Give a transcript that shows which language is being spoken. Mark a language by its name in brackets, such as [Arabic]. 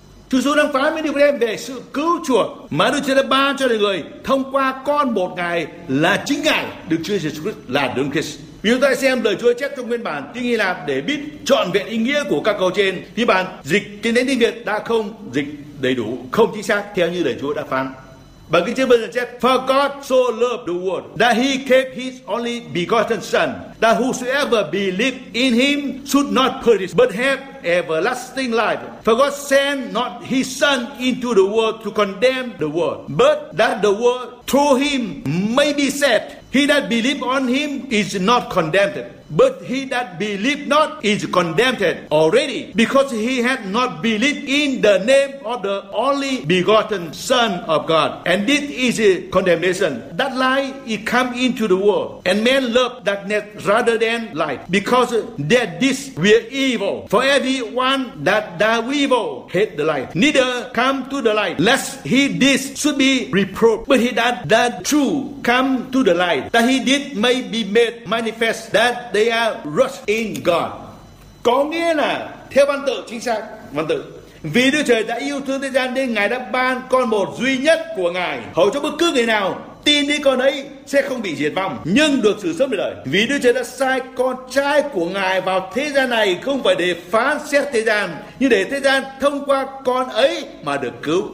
[Vietnamese] Chúa Giêsu đang phán với Nicodem về sự cứu chuộc mà Đức Chúa đã ban cho người thông qua con một Ngài là chính Ngài, Đức Chúa Giêsu Christ, là Đấng Christ. Vì chúng ta xem lời Chúa chép trong nguyên bản tiếng Hy Lạp để biết trọn vẹn ý nghĩa của các câu trên, thì bản dịch trên đến tiếng Việt đã không dịch đầy đủ, không chính xác theo như lời Chúa đã phán. Bằng kinh thánh bây giờ chép: [English] For God so loved the world that he gave his only begotten son, that whosoever believes in him should not perish but have everlasting life. For God sent not his son into the world to condemn the world, but that the world through him may be saved. He that believes on him is not condemned, But he that believed not is condemned already, because he had not believed in the name of the only begotten Son of God. And this is a condemnation. That light is come into the world, and men love darkness rather than light, because their deeds were evil. For everyone that does evil hate the light, neither come to the light, lest he deeds should be reproved. But he that does true come to the light, that he did may be made manifest that they are wrought in God. [Vietnamese] Có nghĩa là, theo văn tự chính xác, văn tự, vì Đức Trời đã yêu thương thế gian nên Ngài đã ban con một duy nhất của Ngài, hầu cho bất cứ người nào tin đi con ấy sẽ không bị diệt vong, nhưng được sự sống đời đời. Vì Đức Trời đã sai con trai của Ngài vào thế gian này không phải để phán xét thế gian, nhưng để thế gian thông qua con ấy mà được cứu.